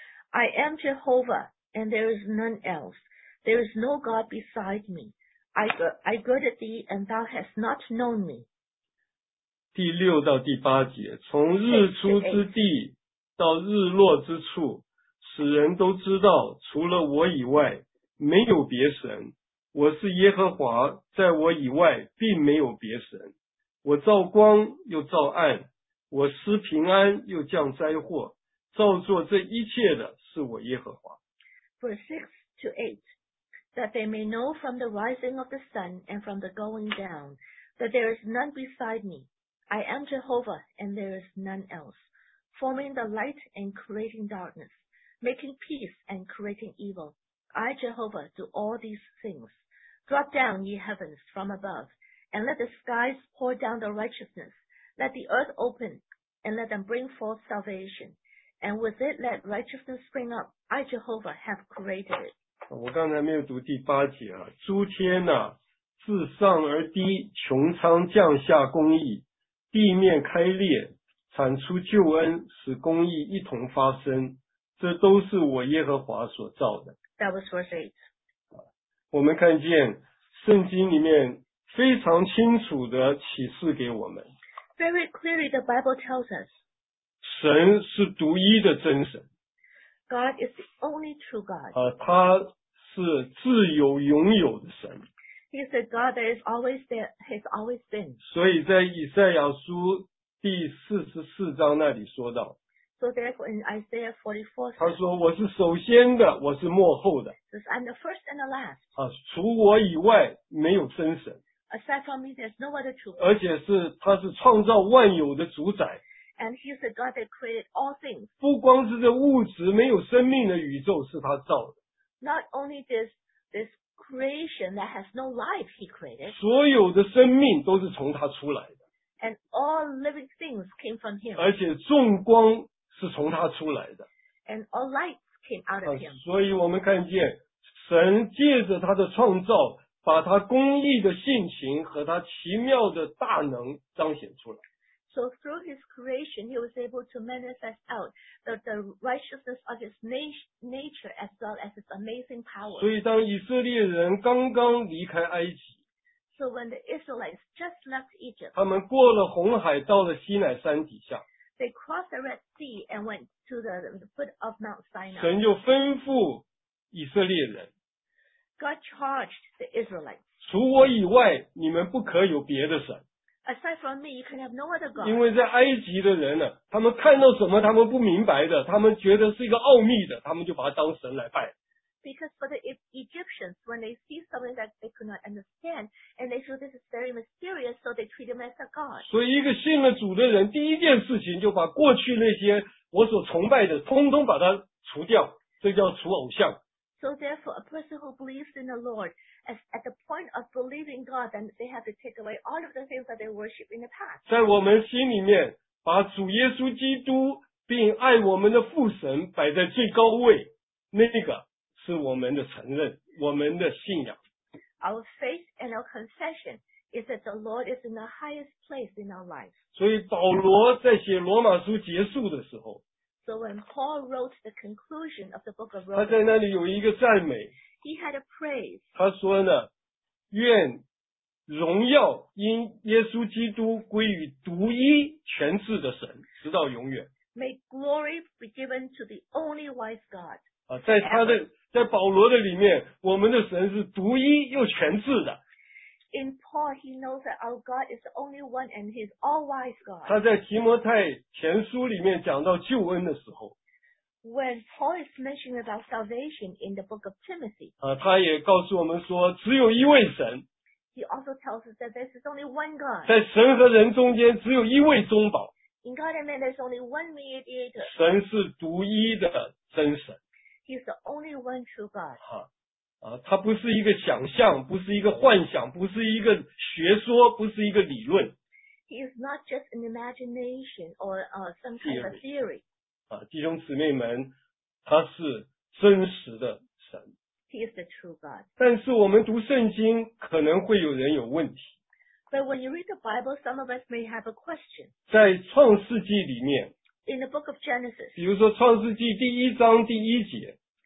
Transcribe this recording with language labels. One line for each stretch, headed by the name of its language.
English: I am Jehovah, and there is none else. There is no God beside me. I girded thee, and thou hast not known me.
Chinese: 第六到第八节，从日出之地到日落之处，使人都知道，除了我以外，没有别神。我是耶和华，在我以外，并没有别神。我造光，又造暗。我施平安，又降灾祸。造作这一切的是我耶和华。
English: Verse 6 to 8, that they may know from the rising of the sun and from the going down, that there is none beside me. I am Jehovah, and there is none else, forming the light and creating darkness, making peace and creating evil. I, Jehovah, do all these things. Drop down, ye heavens, from above, and let the skies pour down the righteousness. Let the earth open, and let them bring forth salvation. And with it, let righteousness spring up. I, Jehovah, have created it.
Chinese: 我刚才没有读第八节啊。诸天啊，自上而低，穹苍降下公义，地面开裂，产出救恩，使公义一同发生。这都是我耶和华所造的。
English: That was verse 8.
Chinese: 我们看见圣经里面非常清楚的启示给我们。
English: Very clearly, the Bible tells us.
Chinese: 神是独一的真神。
English: God is the only true God.
Chinese: 他是自由拥有的神。
English: He is the God that is always there, has always been.
Chinese: 所以在以赛亚书第44章那里说到。
English: So therefore in Isaiah 44,
Chinese: 他说我是首先的，我是末后的。
English: Says, I'm the first and the last.
Chinese: 除我以外没有真神。
English: Aside from me, there's no other true God.
Chinese: 而且是他是创造万有的主宰。
English: And he is the God that created all things.
Chinese: 不光是这物质没有生命的宇宙是他造的。
English: Not only this creation that has no life he created.
Chinese: 所有的生命都是从他出来的。
English: And all living things came from him.
Chinese: 而且众光是从他出来的。
English: And all light came out of him.
Chinese: 所以我们看见神借着他的创造把他公义的性情和他奇妙的大能彰显出来。
English: So through his creation, he was able to manifest out the righteousness of his nature as well as his amazing power.
Chinese: 所以当以色列人刚刚离开埃及
English: ，So when the Israelites just left Egypt,
Chinese: 他们过了红海，到了西乃山底下
English: ，They crossed the Red Sea and went to the foot of Mount Sinai.
Chinese: 神就吩咐以色列人
English: ，God charged the Israelites.
Chinese: 除我以外，你们不可有别的神。
English: Aside from me, you can have no other God.
Chinese: 因为在埃及的人呢，他们看到什么他们不明白的，他们觉得是一个奥秘的，他们就把它当神来拜。
English: Because for the Egyptians, when they see something that they could not understand, and they feel this is very mysterious, so they treat him as a God.
Chinese: 所以一个信了主的人，第一件事情就把过去那些我所崇拜的，通通把它除掉，这叫除偶像。
English: So therefore, a person who believes in the Lord, at the point of believing God, then they have to take away all of the things that they worship in the past.
Chinese: 在我们心里面，把主耶稣基督并爱我们的父神摆在最高位，那个是我们的承认，我们的信仰。
English: Our faith and our confession is that the Lord is in the highest place in our life.
Chinese: 所以保罗在写罗马书结束的时候。
English: So when Paul wrote the conclusion of the book of Romans,
Chinese: 他在那里有一个赞美。
English: He had a praise.
Chinese: 他说呢，愿荣耀因耶稣基督归于独一全智的神，直到永远。
English: May glory be given to the only wise God.
Chinese: 在保罗的里面，我们的神是独一又全智的。
English: In Paul, he knows that our God is the only one and he is all-wise God.
Chinese: 他在提摩太前书里面讲到救恩的时候。
English: When Paul is mentioning about salvation in the book of Timothy.
Chinese: 他也告诉我们说只有一位神。
English: He also tells us that there is only one God.
Chinese: 在神和人中间只有一位中保。
English: In God and man, there is only one mediator.
Chinese: 神是独一的真神。
English: He is the only one true God.
Chinese: 它不是一个想象，不是一个幻想，不是一个学说，不是一个理论。
English: He is not just an imagination or some kind of theory.
Chinese: 弟兄姊妹们，他是真实的神。
English: He is the true God.
Chinese: 但是我们读圣经，可能会有人有问题。
English: But when you read the Bible, some of us may have a question.
Chinese: 在创世纪里面
English: In the book of Genesis.
Chinese: 比如说创世纪第一章第一节